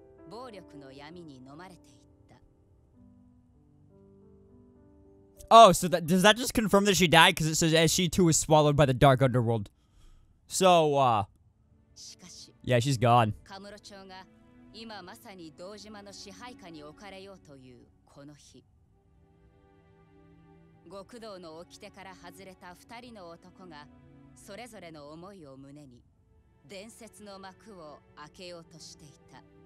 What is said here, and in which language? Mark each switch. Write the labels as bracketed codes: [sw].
[ja] 極道たちは特殊な生い立ちを持つ兄と妹に情け容赦なく牙を向く。殺された兄の復讐を誓った後もまた堂島組の教団に倒れ暴力の闇に飲まれている。 [en] Oh, so does that just confirm that she died? Because it says she too is swallowed by the dark underworld. So, yeah, she's gone. [ja] カムロ町が今まさに道島の支配下に置かれようというこの日、極道の掟から外れた二人の男がそれぞれの思いを胸に伝説の幕を開けようとしていた。